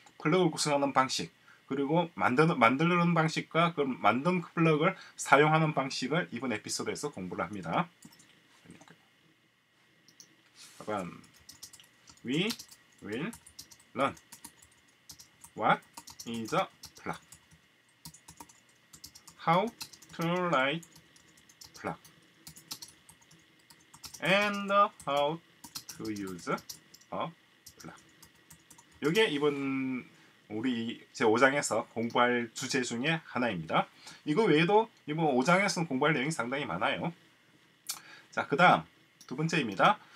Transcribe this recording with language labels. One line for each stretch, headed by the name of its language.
Korean: 플럭을 구성하는 방식, 그리고 만드는 방식과 그 만든 플럭을 사용하는 방식을 이번 에피소드에서 공부를 합니다. 그러면
English: we will learn what is a plug, how to write plug, and how to use a plug.
Korean: 이게 이번 우리 제 5장에서 공부할 주제 중에 하나입니다. 이거 외에도 이번 5장에서는 공부할 내용이 상당히 많아요. 자, 그 다음 두 번째입니다.